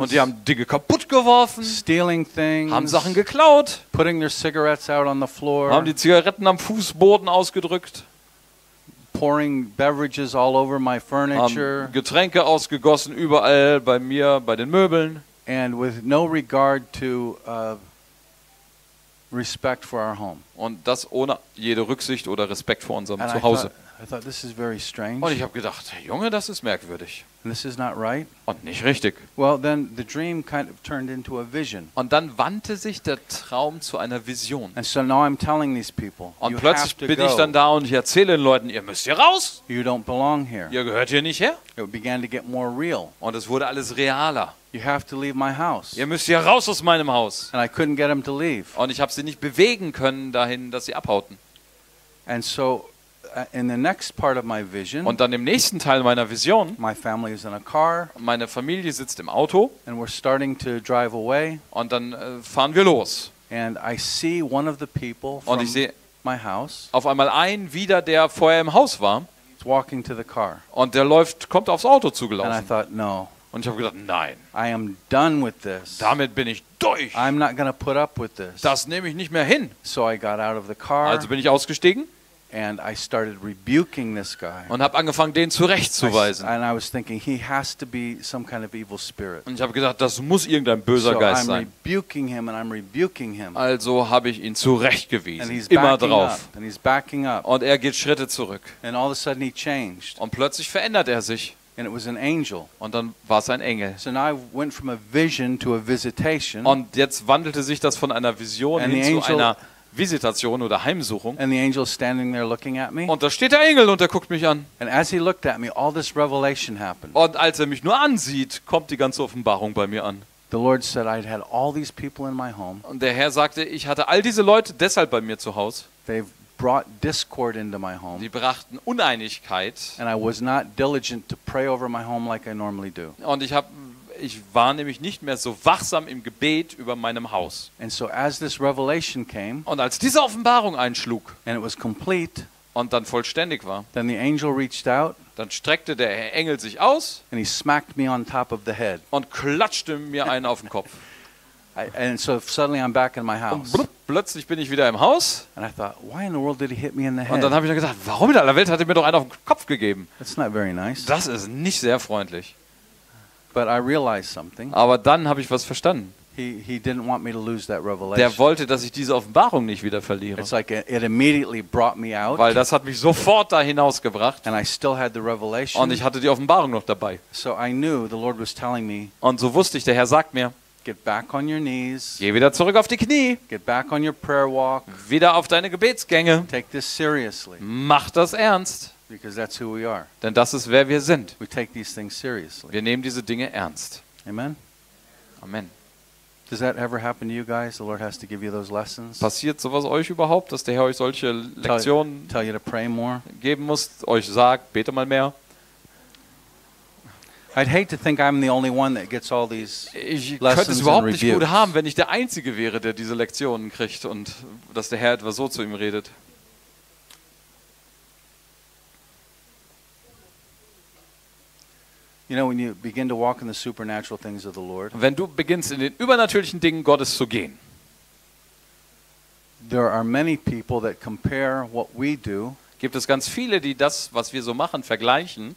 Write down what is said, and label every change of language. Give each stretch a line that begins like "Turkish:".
German: und die haben Dinge kaputt geworfen.
English: Stealing things,
German: haben Sachen geklaut.
English: Putting their cigarettes out on the floor,
German: haben die Zigaretten am Fußboden ausgedrückt.
English: Pouring beverages all over my furniture.
German: Getränke ausgegossen überall bei mir, bei den Möbeln.
English: And with no regard to respect for our home.
German: Und das ohne jede Rücksicht oder Respekt vor unserem Zuhause.
English: I thought, this is very strange.
German: Und ich habe gedacht, Junge, das ist merkwürdig.
English: And this is not right.
German: Und nicht richtig.
English: Well, then the dream kind of turned into a vision.
German: Und dann wandte sich der Traum zu einer Vision.
English: And so now I'm telling these people, you have to go.
German: Und plötzlich bin ich dann da und ich erzähle den Leuten, ihr müsst hier raus.
English: You don't belong here.
German: Ihr gehört hier nicht her.
English: It began to get more real.
German: Und es wurde alles realer.
English: You have to leave my house.
German: Ihr müsst hier raus aus meinem Haus.
English: And I couldn't get them to leave.
German: Und ich habe sie nicht bewegen können dahin, dass sie abhauten.
English: And so in the next part of my vision,
German: und dann im nächsten Teil meiner Vision,
English: my family is in a car,
German: meine Familie sitzt im Auto,
English: and we're starting to drive away,
German: und dann fahren wir los.
English: And I see one of the people from
German: und ich sehe
English: my house,
German: auf einmal einen wieder, der vorher im Haus war,
English: he's walking to the car,
German: und der läuft, kommt aufs Auto zugelaufen.
English: And I thought, no.
German: Und ich habe gedacht, nein.
English: I am done with this.
German: Damit bin ich durch.
English: I'm not gonna put up with this.
German: Das nehme ich nicht mehr hin.
English: So I got out of the car,
German: also bin ich ausgestiegen.
English: And I started rebuking this guy.
German: Und habe angefangen, den zurechtzuweisen.
English: And I was thinking, he has to be some kind of evil spirit.
German: Und ich habe gedacht, das muss irgendein böser Geist sein.
English: So I'm rebuking him and I'm rebuking him.
German: Also habe ich ihn zurechtgewiesen. Immer drauf.
English: And he's backing up.
German: Und er geht Schritte zurück.
English: And all of a sudden he changed.
German: Und plötzlich verändert er sich.
English: And it was an angel.
German: Und dann war es ein Engel.
English: So now I went from a vision to a visitation.
German: Und jetzt wandelte sich das von einer Vision hin zu einer Visitation oder Heimsuchung.
English: And the angel standing there looking at me.
German: Und da steht der Engel und der guckt mich an.
English: And as he looked at me, all this revelation happened.
German: Und als er mich nur ansieht, kommt die ganze Offenbarung bei mir an.
English: The Lord said I'd had all these people in my home.
German: Und der Herr sagte, ich hatte all diese Leute deshalb bei mir zu Hause.
English: They've brought discord into my home.
German: Sie brachten Uneinigkeit.
English: And I was not diligent to pray over my home like I normally do.
German: Und ich war nämlich nicht mehr so wachsam im Gebet über meinem Haus.
English: And so as this revelation came,
German: und als diese Offenbarung einschlug,
English: and it was complete,
German: und dann vollständig war,
English: then the angel reached out,
German: dann streckte der Engel sich aus,
English: and he smacked me on top of the head,
German: und klatschte mir einen auf den Kopf.
English: And so suddenly I'm back in my house.
German: Und plötzlich bin ich wieder im Haus.
English: And I thought, why in the world did he hit me in the head?
German: Und dann habe ich dann gedacht, warum in aller Welt hat er mir doch einen auf den Kopf gegeben?
English: That's not very nice.
German: Das ist nicht sehr freundlich.
English: But I realized something.
German: Aber dann habe ich was verstanden.
English: He didn't want me to lose that revelation.
German: Der wollte, dass ich diese Offenbarung nicht wieder verliere.
English: It's like it immediately brought me out.
German: Weil das hat mich sofort da hinausgebracht.
English: And I still had the revelation.
German: Und ich hatte die Offenbarung noch dabei.
English: So I knew the Lord was telling me.
German: Und so wusste ich, der Herr sagt mir,
English: get back on your knees.
German: Geh wieder zurück auf die Knie.
English: Get back on your prayer walk.
German: Wieder auf deine Gebetsgänge.
English: Take this seriously.
German: Mach das ernst.
English: Because that's who we are.
German: Denn das ist, wer wir sind.
English: We take these things seriously.
German: Wir nehmen diese Dinge ernst.
English: Amen. Amen. Does that ever happen to you guys? The Lord has to give you those lessons.
German: Passiert sowas euch überhaupt, dass der Herr euch solche Lektionen
English: tell you to pray more.
German: Geben muss, euch sagt, bete mal mehr.
English: I'd hate to think I'm the only one that gets all these lessons and rebukes.
German: Ich könnte es überhaupt nicht gut haben, wenn ich der Einzige wäre, der diese Lektionen kriegt und dass der Herr etwa so zu ihm redet.
English: You know, when you begin to walk in the supernatural things of the Lord,
German: wenn du beginnst, in den übernatürlichen Dingen Gottes zu gehen,
English: there are many people that compare what we do,
German: gibt es ganz viele, die das, was wir so machen, vergleichen,